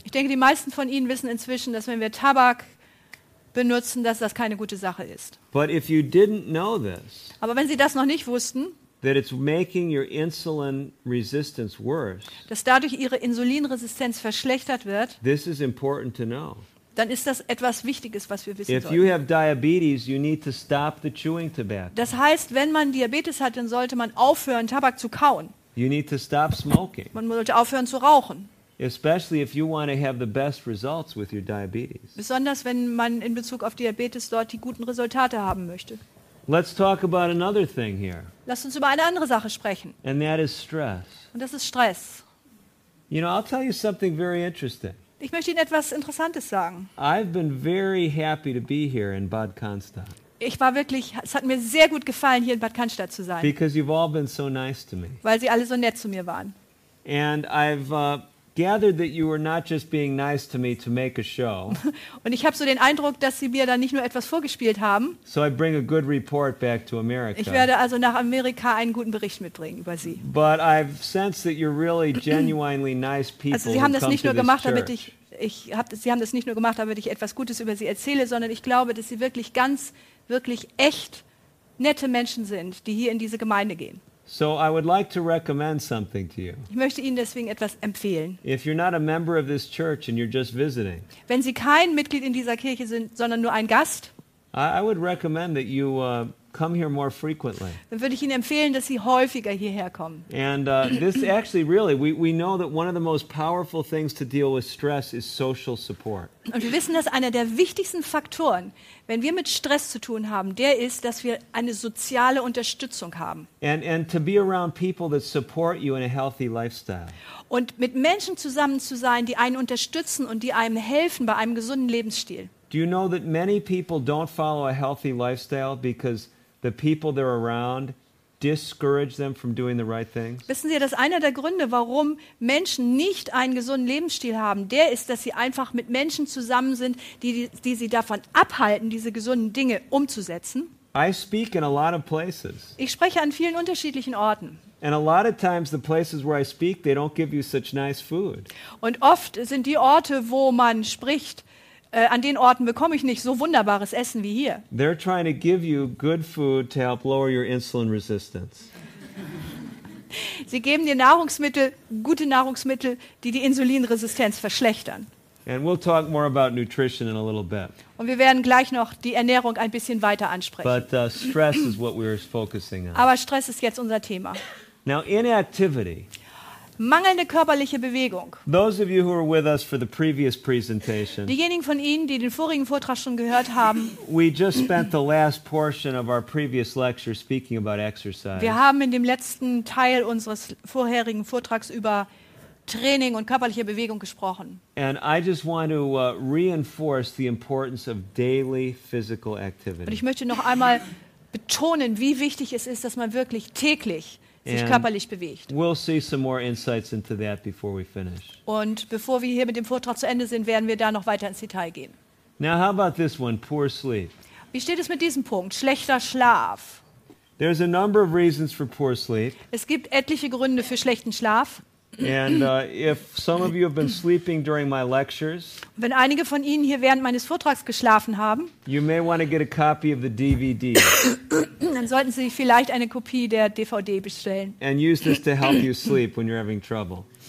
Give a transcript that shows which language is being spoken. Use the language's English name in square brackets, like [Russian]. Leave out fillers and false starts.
[German] Ich denke, die meisten von Ihnen wissen inzwischen, dass wenn wir Tabak benutzen, dass das keine gute Sache ist. [English] But if you didn't know this. [German] Aber wenn Sie das noch nicht wussten, [English] that it's making your insulin resistance worse. [German] Dass dadurch ihre Insulinresistenz verschlechtert wird. [English] This is important to know. [German] Dann ist das etwas Wichtiges, was wir wissen [English] if [German] sollten. [English] If you have diabetes, you need to stop the chewing tobacco. [German] Das heißt, wenn man Diabetes hat, dann sollte man aufhören, Tabak zu kauen. [English] You need to stop smoking. [German] Man sollte aufhören zu rauchen. [English] Especially if you want to have the best results with your diabetes. [German] Besonders wenn man in Bezug auf Diabetes dort die guten Resultate haben möchte. [English] Let's talk about another thing here. [German] Lass uns über eine andere Sache sprechen. [English] And that is stress. [German] Und das ist Stress. [English] You know, I'll tell you something very interesting. [German] Ich möchte Ihnen etwas Interessantes sagen. [English] I've been very happy to be here in Bad Cannstatt. [German] Ich war wirklich, es hat mir sehr gut gefallen, hier in Bad Cannstatt zu sein. [English] Because you've all been so nice to me. [German] Weil Sie alle so nett zu mir waren. [English] And I've gathered that you were not just being nice to me to make a show. [German] Und ich habe so den Eindruck, dass Sie mir da nicht nur etwas vorgespielt haben. [English] So I bring a good report back to America. [German] Ich werde also nach Amerika einen guten Bericht mitbringen über Sie. [English] But I've sensed that you're really genuinely nice people. [German] Also Sie haben das nicht nur gemacht, damit Sie haben das nicht nur gemacht, damit ich etwas Gutes über Sie erzähle, sondern ich glaube, dass Sie wirklich ganz, wirklich echt nette Menschen sind, die hier in diese Gemeinde gehen. [English] So I would like to recommend something to you. [German] Ich möchte Ihnen deswegen etwas empfehlen. [English] If you're not a member of this church and you're just visiting. [German] Wenn Sie kein Mitglied in dieser Kirche sind, sondern nur ein Gast. [English] I would recommend that you come here more frequently. [German] Dann würde ich Ihnen empfehlen, dass Sie häufiger hierher kommen. [English] And this actually really we know that one of the most powerful things to deal with stress is social support. [German] Und wir wissen, dass einer der wichtigsten Faktoren, wenn wir mit Stress zu tun haben, der ist, dass wir eine soziale Unterstützung haben. [English] And to be around people that support you in a healthy lifestyle. [German] Und mit Menschen zusammen zu sein, die einen unterstützen und die einem helfen bei einem gesunden Lebensstil. [English] Do you know that many people don't follow a healthy lifestyle because the people they're around discourage them from doing the right things? [German] Wissen Sie, dass einer der Gründe, warum Menschen nicht einen gesunden Lebensstil haben, der ist, dass sie einfach mit Menschen zusammen sind, die sie davon abhalten, diese gesunden Dinge umzusetzen? [English] I speak in a lot of places. [German] Ich spreche an vielen unterschiedlichen Orten. [English] And a lot of times the places where I speak, they don't give you such nice food. [German] Und oft sind die Orte, wo man spricht, An den Orten bekomme ich nicht so wunderbares Essen wie hier. [English] They're trying to give you good food to help lower your insulin resistance. [German] Sie geben dir Nahrungsmittel, gute Nahrungsmittel, die die Insulinresistenz verschlechtern. [English] And we'll talk more about nutrition in a little bit. [German] Und wir werden gleich noch die Ernährung ein bisschen weiter ansprechen. [English] But stress is what we're focusing on. [German] Aber Stress ist jetzt unser Thema. [English] Now inactivity. [German] Mangelnde körperliche Bewegung. [English] Those of you who were with us for the previous presentation. [German] Diejenigen von Ihnen, die den vorigen Vortrag schon gehört haben. [English] We just spent the last portion of our previous lecture speaking about exercise. [German] Wir haben in dem letzten Teil unseres vorherigen Vortrags über Training und körperliche Bewegung gesprochen. [English] And I just want to reinforce the importance of daily physical activity. [German] Und ich möchte noch einmal betonen, wie wichtig es ist, dass man wirklich täglich sich körperlich bewegt. [English] We'll see some more insights into that before we finish. [German] Und bevor wir hier mit dem Vortrag zu Ende sind, werden wir da noch weiter ins Detail gehen. [English] Now how about this one, poor sleep? [German] Wie steht es mit diesem Punkt? Schlechter Schlaf. [English] There's a number of reasons for poor sleep. [German] Es gibt etliche Gründe für schlechten Schlaf. [English] And if some of you have been sleeping during my lectures, [German] wenn einige von Ihnen hier während meines Vortrags geschlafen haben, [English] you may want to get a copy of the DVD. [German] Dann sollten Sie vielleicht eine Kopie der DVD bestellen. [English] And use this to help you sleep when you're having trouble.